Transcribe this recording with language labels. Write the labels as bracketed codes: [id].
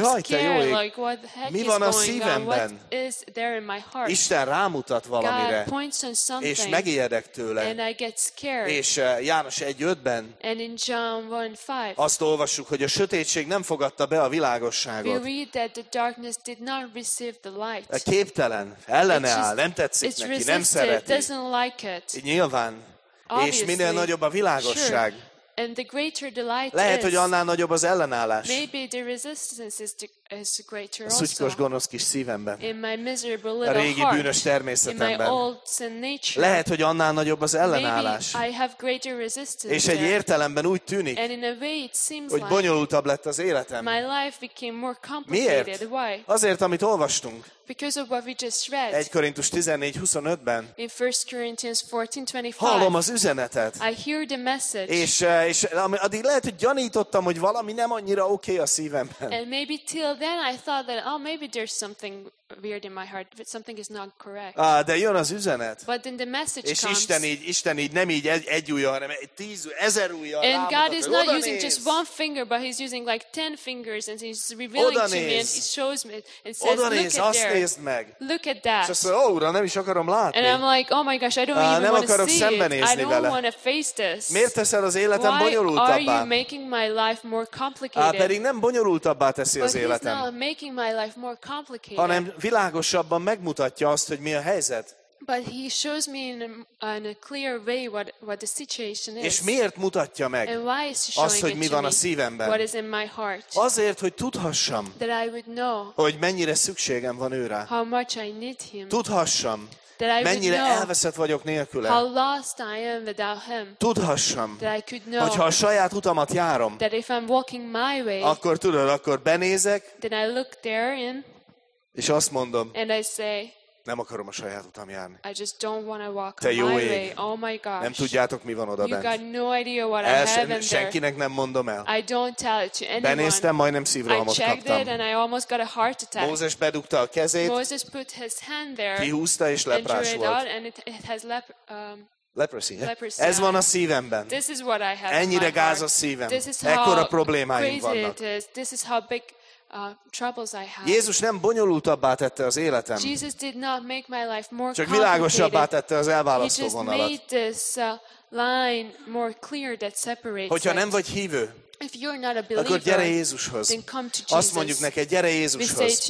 [hu] haj, te jó ég. Mi van a szívemben? Isten rámutat valamire. [en] God points on something. [hu] És megijedek tőle. [en] And I get scared. [hu] És János 1:5-ben. [en] And in John 1:5. [hu] Azt olvassuk, hogy a sötétség nem fogadta be a világosságot. [en] We read that the darkness did not receive the light. [hu] A képtelen, ellenáll, nem tetszik [en] it's [hu] neki, [en] resisted, [hu] nem szereti. [en] Doesn't like it. [hu] Nyilván. [en] Obviously, [hu] és minél nagyobb a világosság. [en] Sure. And the greater the light [hu] lehet, [en] is, [hu] hogy annál nagyobb az ellenállás. [en] Maybe the resistance is greater [hu] a szutykos, gonosz kis szívemben. [en] In my miserable little [hu] a régi bűnös természetemben. [en] In my old sin nature. [hu] Lehet, hogy annál nagyobb az ellenállás. [en] Maybe I have greater resistance. [hu] És egy értelemben úgy tűnik, [en] and in a way it seems [hu] hogy bonyolultabb lett az életem. [en] My life became more complicated. [hu] Miért? [en] Why? [hu] Azért, amit olvastunk. [en] Because of what we just read. [hu] 1 Korintus 14:25-ben. [en] In 1 Corinthians 14:25. [hu] Hallom az üzenetet. [en] I hear the message. [hu] És addig lehet, hogy gyanítottam, hogy valami nem annyira oké a szívemben. [en] And maybe till then I thought that oh maybe there's something weird in my heart, but something is not correct. [hu] De jön az üzenet. [en] But then the message [hu] és [en] comes. [hu] És Isten így nem így egy ujjal, hanem 10,000 ujjal. [en] And God is not using just one finger, but he's using like 10 fingers and he's revealing to me and he shows me and says, look at there. [hu] Nézd meg. [en] Look at that. [hu] És azt mondja, Uram, nem is akarom látni. [en] And I'm like, oh my gosh, I don't even [hu] nem akarok szembenézni vele. [en] I don't want to face this. [hu] Miért teszel az életem [en] why [hu] bonyolultabbá? [en] Are you making my life more complicated? [hu] Pedig nem bonyolultabbá teszi [en] but [hu] az életem. [en] But he's not making my life more complicated. [hu] Hanem világosabban megmutatja azt, hogy mi a helyzet. [en] But he shows me in a clear way what the situation is. [hu] És miért mutatja meg? [en] And why is he showing [hu] azt, hogy mi van a szívemben? [en] What is in my heart? [hu] Azért, hogy tudhassam. [en] That I would know. [hu] Hogy mennyire szükségem van őre. [en] How much I need him. [hu] Tudhassam. [en] That I [hu] mennyire [en] would know [hu] elveszett vagyok nélküle. [en] How lost I am without him. [hu] Tudhassam. [en] That I could know. [hu] Hogyha a saját utamat járom. [en] That if I'm walking my way. [hu] Akkor tudod, akkor benézek. [en] Then I look therein. [hu] És azt mondom. [en] And I say. [hu] Nem akarom a saját utam járni. [en] I just don't want to walk [hu] te jó [en] my [hu] ég. [en] Way. Oh my gosh. [hu] Nem tudjátok, mi van oda bent. [en] You got no idea what I have in there. [hu] Senkinek nem mondom el. [en] I don't tell it to anyone. [hu] Benéztem, majdnem szívrohamot kaptam. [en] I checked [hu] kaptam. [en] It and I almost got a heart attack. [hu] Mózes bedugta a kezét. [en] Moses put his hand there. [hu] Kihúzta és leprás [en] and [hu] volt. [en] And it has leprosy. [hu] Ez van a szívemben. [en] This is what I have. [hu] Ennyire [en] in my heart. [hu] Gáz a szívem. [en] This is [hu] ekkora problémáim vannak. [en] It is. This is how big troubles I have. [hu] Jézus nem bonyolultabbá tette az életem. [en] Jesus did not make my life more complicated. [hu] Csak világosabbá tette az elválasztó vonalat. [en] He just made this line more clear that separates. [hu] Hogyha nem vagy hívő. [en] If you're not a believer, [hu] akkor gyere Jézushoz. Azt mondjuk neked, gyere Jézushoz.